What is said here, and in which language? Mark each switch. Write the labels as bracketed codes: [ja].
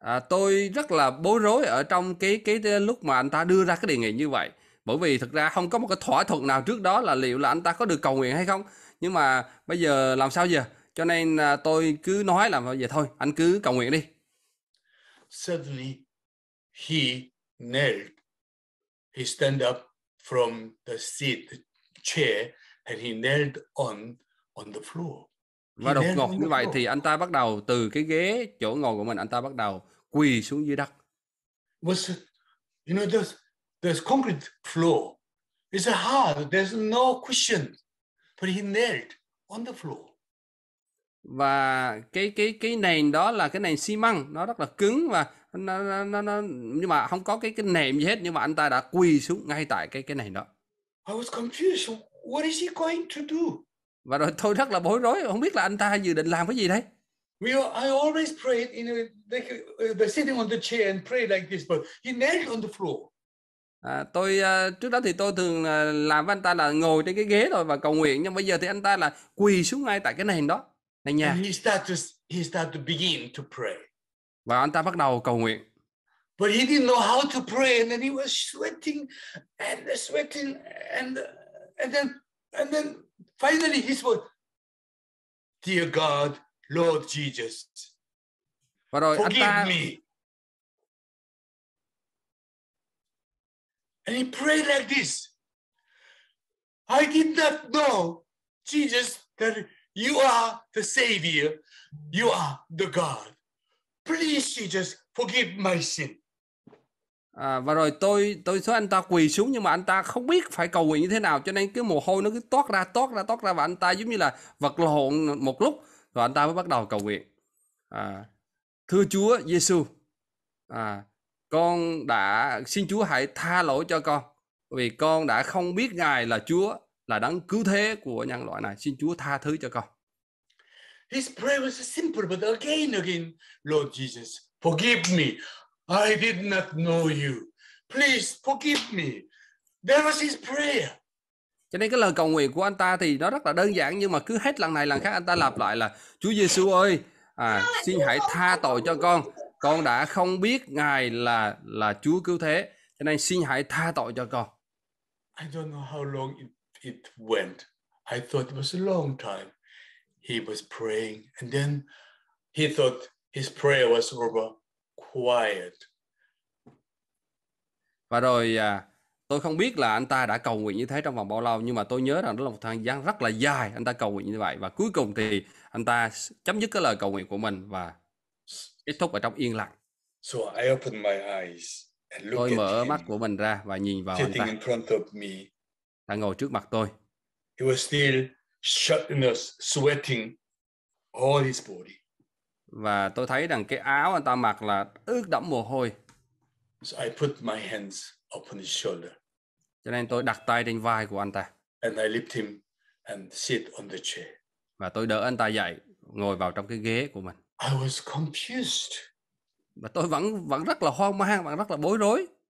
[vi] Tôi rất là bối rối ở trong cái lúc mà anh ta đưa ra cái đề nghị như vậy. Bởi vì thực ra không có một cái thỏa thuận nào trước đó là liệu là anh ta có được cầu nguyện hay không. Nhưng mà bây giờ làm sao giờ? Cho nên tôi cứ nói là bây giờ thôi, anh cứ cầu nguyện đi. [en] Suddenly he knelt. He stand up from the seat, the chair, and he knelt on the floor. [vi] Và đột ngột như vậy thì anh ta bắt đầu từ cái ghế chỗ ngồi của mình, anh ta bắt đầu quỳ xuống dưới đất. [en] Was, you know, there's concrete floor. It's a hard, there's no cushion. But he knelt on the floor. [vi] Và cái nền đó là cái nền xi măng, nó rất là cứng và nó nhưng mà không có cái nệm gì hết, nhưng mà anh ta đã quỳ xuống ngay tại cái nền đó. [en] I was confused. What is he going to do? [vi] Và rồi tôi rất là bối rối, không biết là anh ta dự định làm cái gì đấy. [en] I always prayed in the sitting on the chair and pray like this, but he knelt on the floor. [vi] Tôi trước đó thì tôi thường làm với anh ta là ngồi trên cái ghế rồi và cầu nguyện, nhưng bây giờ thì anh ta là quỳ xuống ngay tại cái nền đó. Này nha. [en] And he started to begin to pray. [vi] Và anh ta bắt đầu cầu nguyện. [en] But he didn't know how to pray, and then he was sweating and then finally he spoke, "Dear God, Lord Jesus, forgive me." And he prayed like this. I did not know, Jesus, that you are the Savior. You are the God. Please, Jesus, forgive my sin. [vi] Và rồi tôi thấy anh ta quỳ xuống, nhưng mà anh ta không biết phải cầu nguyện như thế nào, cho nên cái mồ hôi nó cứ toát ra, và anh ta giống như là vật lộn một lúc, rồi anh ta mới bắt đầu cầu nguyện. Thưa Chúa Giêsu, con đã xin Chúa hãy tha lỗi cho con, vì con đã không biết Ngài là Chúa, là đấng cứu thế của nhân loại này. Xin Chúa tha thứ cho con. [en] His prayer was simple, but again, Lord Jesus, forgive me. I did not know you. Please forgive me. That was his prayer. [vi] Cho nên cái lời cầu nguyện của anh ta thì nó rất là đơn giản, nhưng mà cứ hết lần này lần khác anh ta lặp lại là Chúa Giêsu ơi, xin hãy tha tội cho con. Con đã không biết Ngài là Chúa cứu thế, cho nên xin hãy tha tội cho con. [en] I don't know how long it went. I thought it was a long time. He was praying and then he thought his prayer was over. Quiet. [vi] Và rồi tôi không biết là anh ta đã cầu nguyện như thế trong vòng bao lâu, nhưng mà tôi nhớ rằng đó là một thời gian rất là dài anh ta cầu nguyện như vậy, và cuối cùng thì anh ta chấm dứt cái lời cầu nguyện của mình và kết thúc ở trong yên lặng. [en] So I opened my eyes and [vi] tôi mở mắt của mình ra và nhìn vào anh ta. [en] In front of me. [vi] Đã ngồi trước mặt tôi. [en] He was still sweating all his body. [vi] Và tôi thấy rằng cái áo anh ta mặc là ướt đẫm mồ hôi. [en] So I put my hands upon his shoulder. [vi] Cho nên tôi đặt tay trên vai của anh ta. [en] And I lift him and sit on the chair. [vi] Và tôi đỡ anh ta dậy, ngồi vào trong cái ghế của mình. [en] I was confused. [vi] Và tôi vẫn rất là hoang mang, vẫn rất là bối rối.